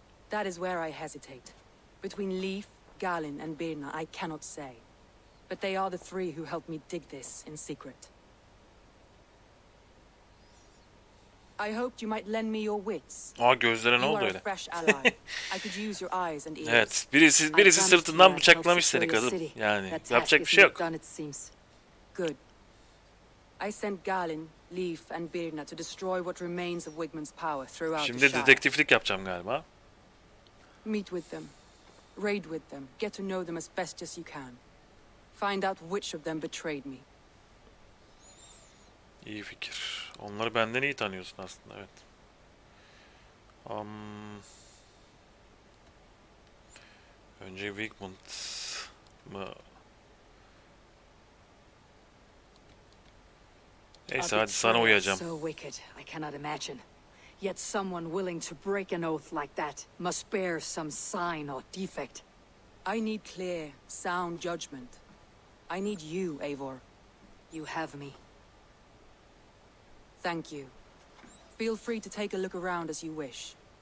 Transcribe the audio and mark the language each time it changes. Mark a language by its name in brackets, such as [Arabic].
[English] That is where I hesitate. Between Leif, Galin, and Birna, I cannot say. But they are the three who helped me dig this in secret. I hoped you might lend me your wits. [Turkish] Aa, gözlere ne oldu öyle? [English] Fresh ally. I could use your eyes and ears. [Turkish] Evet, birisi sırtından bıçaklamış seni kadın. Yani yapacak bir şey yok. [English] Good. I sent Galin, Leif and Birna to destroy what remains of Wigman's power throughout the Shire. [Turkish] Şimdi dedektiflik yapacağım galiba. [English] Meet with them. Raid with them. Get to know them as best as you can. Find out which of them betrayed me. [Turkish] İyi fikir. Onları benden iyi tanıyorsun aslında, evet. Önce Wigmund mı? Neyse, hadi sana uyacağım. [English] So wicked, I cannot imagine. Yet someone willing to break an oath like that must bear some sign or defect. I need clear, sound judgment. I need you, Eivor. You have me. Thank you. Feel free to take a look around as you wish.